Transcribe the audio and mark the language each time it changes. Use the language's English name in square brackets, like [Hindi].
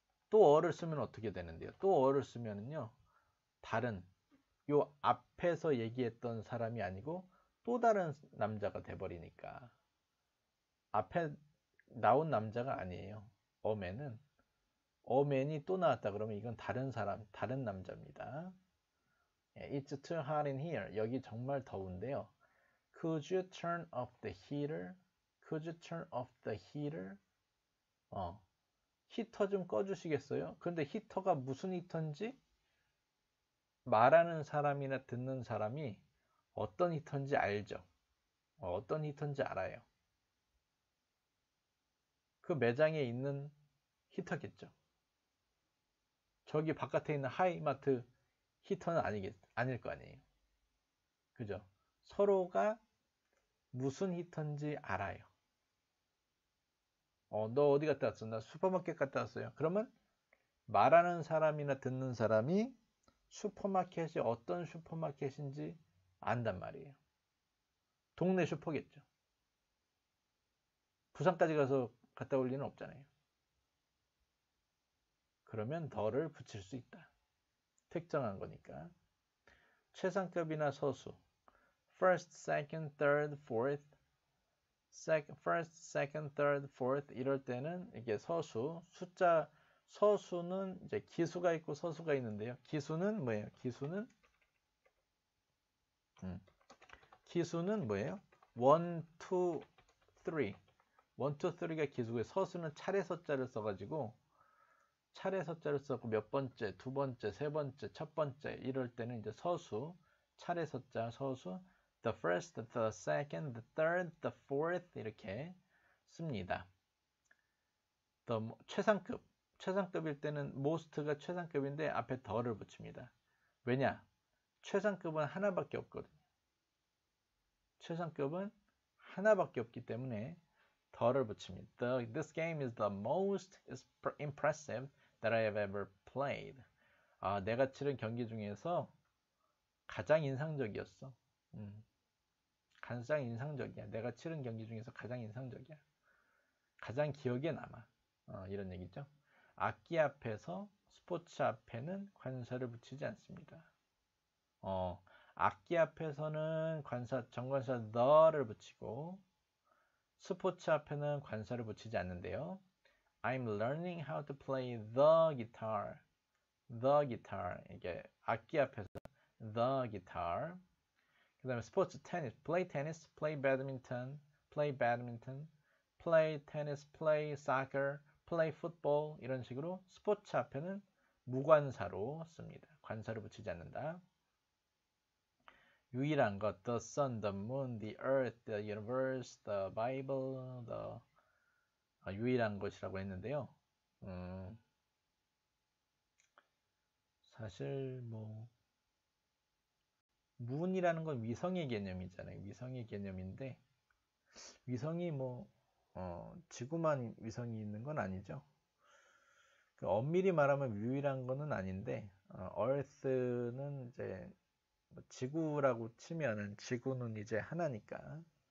[Korean] 또 어를 쓰면 어떻게 되는데요? 또 어를 쓰면은요. 다른 요 앞에서 얘기했던 사람이 아니고 또 다른 남자가 돼 버리니까 앞에 나온 남자가 아니에요. 어맨은 어맨이 또 나왔다 그러면 이건 다른 사람, 다른 남자입니다. [English] It's too hot in here. [Korean] 여기 정말 더운데요. [English] Could you turn off the heater? Could you turn off the heater? [Korean] 히터 좀 꺼주시겠어요? 근데 히터가 무슨 히터인지 말하는 사람이나 듣는 사람이 어떤 히터인지 알죠? 어떤 히터인지 알아요. 그 매장에 있는 히터겠죠. 저기 바깥에 있는 하이마트 히터는 아닐 거 아니에요. 그죠? 서로가 무슨 히터인지 알아요. 너 어디 갔다 왔어? 나 슈퍼마켓 갔다 왔어요. 그러면 말하는 사람이나 듣는 사람이 슈퍼마켓이 어떤 슈퍼마켓인지 안단 말이에요. 동네 슈퍼겠죠. 부산까지 가서 갔다 올 일은 없잖아요. 그러면 더를 붙일 수 있다. 특정한 거니까. 최상급이나 서수. [English] First, second, third, fourth. First, second, third, fourth. [Korean] 이럴 때는 이게 서수. 숫자, 서수는 이제 기수가 있고 서수가 있는데요. 기수는 뭐예요? 기수는? 기수는 뭐예요? [English] One, two, three. One, two, three가 기수고요. [Korean] 서수는 차례 숫자를 써가지고 차례 숫자를 썼고 몇 번째, 두 번째, 세 번째, 첫 번째 이럴 때는 이제 서수, 차례 숫자 서수, [English] the first, the second, the third, the fourth [Korean] 이렇게 씁니다. 또 최상급일 때는 most가 최상급인데 앞에 the를 붙입니다. 왜냐? 최상급은 하나밖에 없거든요. 최상급은 하나밖에 없기 때문에 the를 붙입니다. [English] This game is the most impressive that I have ever played. [Korean] 내가 치른 경기 중에서 가장 인상적이었어. 가장 인상적이야. 내가 치른 경기 중에서 가장 인상적이야. 가장 기억에 남아. 이런 얘기죠. 악기 앞에서 스포츠 앞에는 관사를 붙이지 않습니다. 악기 앞에서는 정관사 the를 붙이고 스포츠 앞에는 관사를 붙이지 않는데요. [English] I'm learning how to play the guitar. The guitar. [Korean] 이게 악기 앞에서 the guitar. 그 다음에 스포츠 테니스. [English] Play tennis, play badminton, play badminton, play tennis, play soccer, play football. [Korean] 이런 식으로 스포츠 앞에는 무관사로 씁니다. 관사를 붙이지 않는다. 유일한 것. [English] The sun, the moon, the earth, the universe, the Bible, [Korean] 유일한 것이라고 했는데요. 사실 뭐 문이라는 건 위성의 개념이잖아요. 위성의 개념인데 위성이 뭐 지구만 위성이 있는 건 아니죠. 그 엄밀히 말하면 유일한 거는 아닌데 Earth는 이제 뭐 지구라고 치면은 지구는 이제 하나니까.